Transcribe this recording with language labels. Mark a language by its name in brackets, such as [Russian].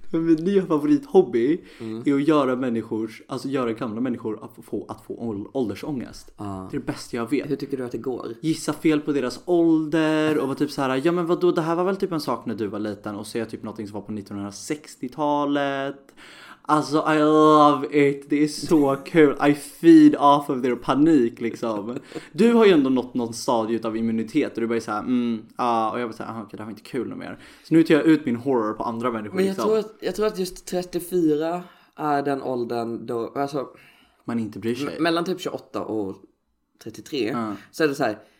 [Swedish] Min nya favorithobby är att göra människor, alltså göra gamla människor att få åldersångest. Det är det bästa jag vet. Hur tycker du att det går? Gissa fel på deras ålder och vara typ så här, ja men vadå, det här var väl typ en sak när du var liten. Och säga typ någonting som var på 1960-talet. Alltså, [English] I love it. [Swedish] Det är så kul. [English] I feed off of their [Swedish] panik, liksom. Du har ju ändå nått någon stadie av immunitet. Och du bara är såhär, och jag bara såhär, okej, det här var inte kul mer. Så nu tar jag ut min horror på andra människor. Men jag tror att just 34 är den åldern då, alltså, man inte bryr sig. Mellan typ 28 och 33 så är det så här.